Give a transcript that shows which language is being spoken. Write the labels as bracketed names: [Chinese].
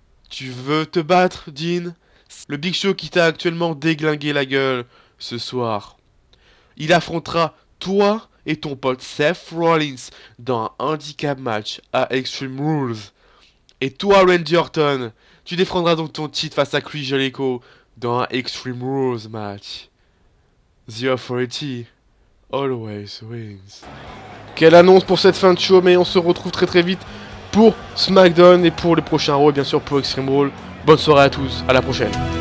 [French] Tu veux te battre, Dean? Le Big Show qui t'a actuellement déglingué la gueule ce soir. Il affrontera toi et ton pote Seth Rollins dans un handicap match à Extreme Rules. Et toi, Randy Orton, tu défendras donc ton titre face à Chris Jericho dans un Extreme Rules match. [English] The Authority always wins. [French] Quelle annonce pour cette fin de show, mais on se retrouve très très vite pour SmackDown et pour les prochains Raw, bien sûr pour Extreme Rules. Bonne soirée à tous, à la prochaine.